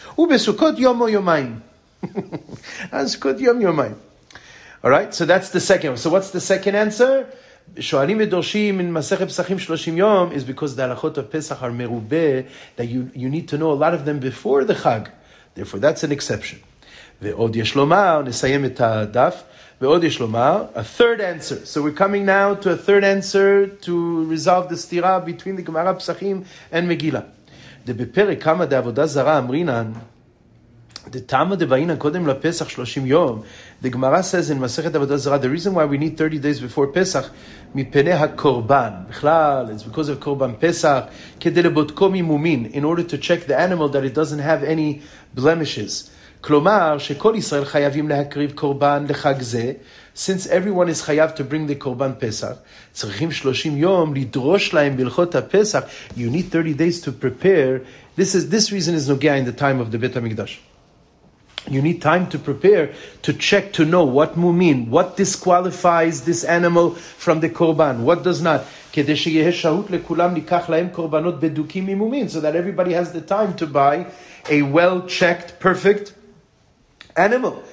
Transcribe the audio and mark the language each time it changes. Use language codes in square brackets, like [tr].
[he] ובסוכות יום או יומיים. אז סוכות יום יומיים. [en] All right, so that's the second. So what's the second answer? [he] שואלים ודורשים [en] in מסך הפסחים 30 יום is because the הלכות of פסח are מרובה that you need to know a lot of them before the חג. Therefore, that's an exception. [he] ועוד יש לומר, נסיים את הדף, ועוד יש לומר, [en] a third answer. So we're coming now to a third answer to resolve the stira between the Gemara Pesachim and Megillah. The [he] בפרק כמה דעבודה זרה אמרינן, [en] the [he] תמה דבעינן קודם לפסח 30 יום, [en] the Gemara says in מסכת עבודה זרה, the reason why we need 30 days before פסח, [he] מפני הקורבן. בכלל, [en] it's because of קורבן פסח, [he] כדי לבודקו ממומין, [en] in order to check the animal that it doesn't have any blemishes. [he] כלומר, שכל ישראל חייבים להקריב קורבן לחג זה, [en] since everyone is חייב to bring the קורבן פסח, [he] צריכים 30 יום לדרוש להם בלכות הפסח, [en] you need 30 days to prepare, this reason is נוגע in the time of the בית המקדש. You need time to prepare, to check, to know what מומין, what disqualifies this animal from the קורבן, what does not, [he] כדי שיהיה שהות לכולם לקח להם קורבנות בדוקים ממומין, [en] so that everybody has the time to buy a well-checked, perfect animal.